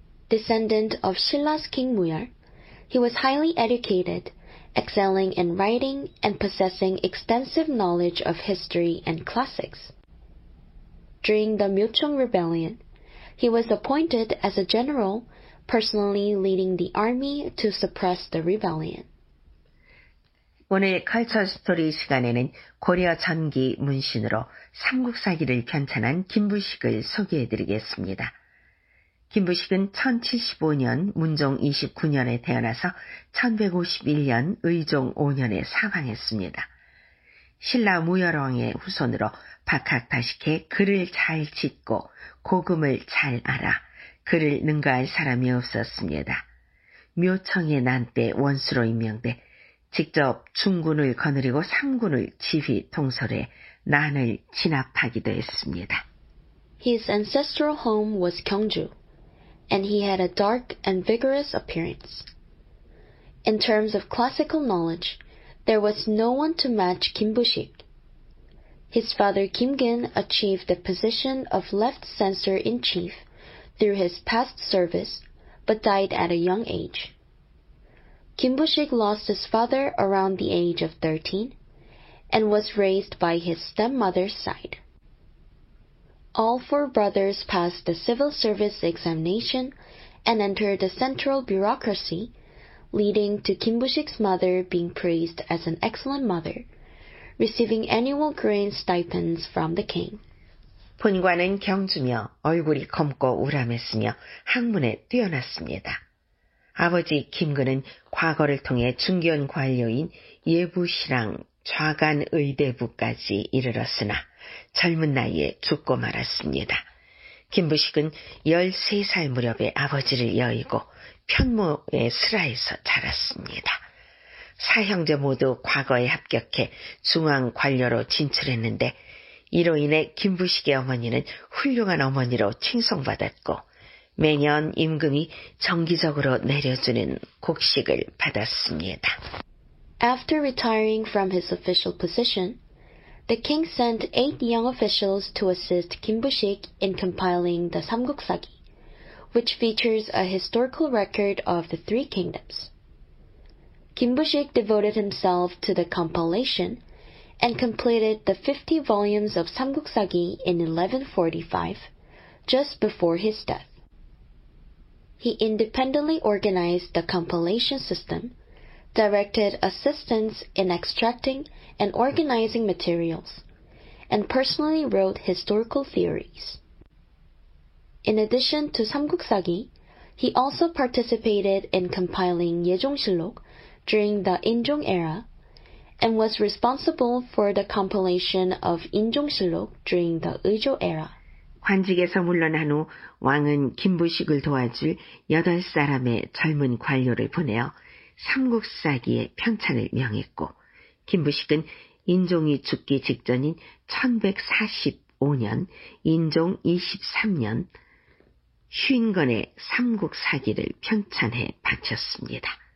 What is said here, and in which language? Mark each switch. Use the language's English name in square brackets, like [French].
[English] Descendant of Silla's King Muyeol, he was highly educated, excelling in writing and possessing extensive knowledge of history and classics. During the Myocheong Rebellion, he was appointed as a general, personally leading the army to suppress the rebellion. [Korean] 오늘 컬처 스토리 시간에는 고려 전기 문신으로 삼국사기를 편찬한 김부식을 소개해드리겠습니다. 김부식은 1075년 문종 29년에 태어나서 1151년 의종 5년에 사망했습니다. 신라 무열왕의 후손으로 박학다식해 글을 잘 짓고 고금을 잘 알아 글을 능가할 사람이 없었습니다. 묘청의 난 때 원수로 임명돼 직접 중군을 거느리고 삼군을 지휘 통솔해 난을 진압하기도 했습니다. [English] His ancestral home was 경주, and he had a dark and vigorous appearance. In terms of classical knowledge, there was no one to match Kim Bu-sik. His father Kim Gin achieved the position of left censor-in-chief through his past service, but died at a young age. Kim Bu-sik lost his father around the age of 13 and was raised by his stepmother's side. All four brothers passed the civil service examination and entered the central bureaucracy, leading to Kim Bu-sik's mother being praised as an excellent mother, receiving annual grain stipends from the king. [Korean] 본관은 경주며 얼굴이 검고 우람했으며 학문에 뛰어났습니다. 아버지 김근은 과거를 통해 중견 관료인 예부시랑 좌간 의대부까지 이르렀으나 젊은 나이에 죽고 말았습니다. 김부식은 13살 무렵에 아버지를 여의고 편모의 슬하에서 자랐습니다. 사형제 모두 과거에 합격해 중앙 관료로 진출했는데 이로 인해 김부식의 어머니는 훌륭한 어머니로 칭송받았고 매년 임금이 정기적으로 내려주는 곡식을 받았습니다. [English] After retiring from his official position, the king sent 8 young officials to assist Kim Bu-sik in compiling the Samguksagi, which features a historical record of the Three Kingdoms. Kim Bu-sik devoted himself to the compilation and completed the 50 volumes of Samguksagi in 1145, just before his death. He independently organized the compilation system, directed assistants in extracting and organizing materials, and personally wrote historical theories. In addition to Samguksagi, he also participated in compiling Yejongshilluk during the Injong era, and was responsible for the compilation of Injongshilluk during the Ujo era. [Korean] 관직에서 물러난 후 왕은 김부식을 도와줄 여덟 사람의 젊은 관료를 보내어 삼국사기의 편찬을 명했고 김부식은 인종이 죽기 직전인 1145년 인종 23년 휴인건의 삼국사기를 편찬해 바쳤습니다.